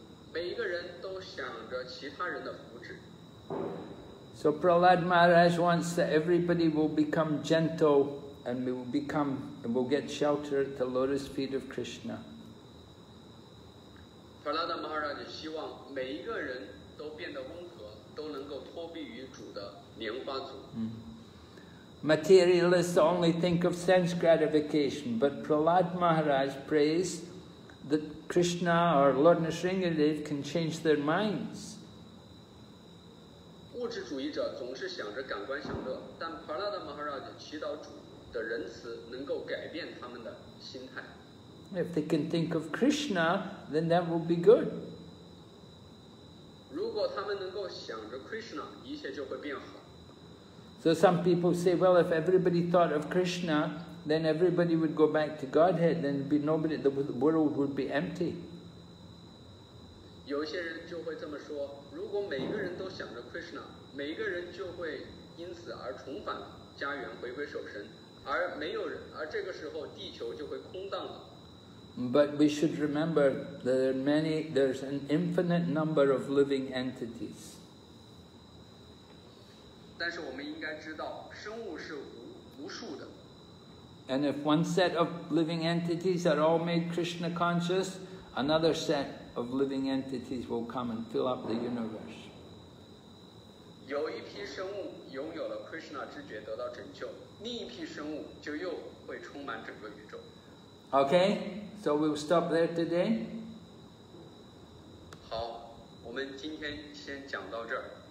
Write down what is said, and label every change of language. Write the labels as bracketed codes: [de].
[zh] 每一个人都想着其他人的福祉。 [en] So Prahlad Maharaj wants that everybody will become gentle and will get shelter at the lotus feet of Krishna. [zh] Prahlad Maharaj 希望每一个人都变得温和，都能够托庇于主的莲花足。 [en] Materialists only think of sense gratification, but Prahlad Maharaj prays that Krishna or Lord Nrisingadev can change their minds. [zh] 物质主义者总是想着感官享乐，但帕拉达马哈拉的祈祷主的仁慈能够改变他们的心态。 [en] If they can think of Krishna, then that will be good. [zh] 如果他们能够想着 Krishna, 一切就会变好。 [en] So some people say, well, if everybody thought of Krishna, then everybody would go back to Godhead, then the world would be empty. [zh] 有些人就会这么说，如果每个人都想着 Krishna, 每个人就会因此而重返家园，回归守神，而没有人，而这个时候地球就会空荡了。 [en] But we should remember that there's an infinite number of living entities. [zh] 但是我们应该知道，生物是无数的。 [en] And if one set of living entities are all made Krishna conscious, another set,of living entities will come and fill up the universe. [zh] 有一批生物拥有了 Krishna 知觉得到拯救，另一批生物就又会充满整个宇宙。 [en] Okay, so we'll stop there today. [zh] 好，我们今天先讲到这儿。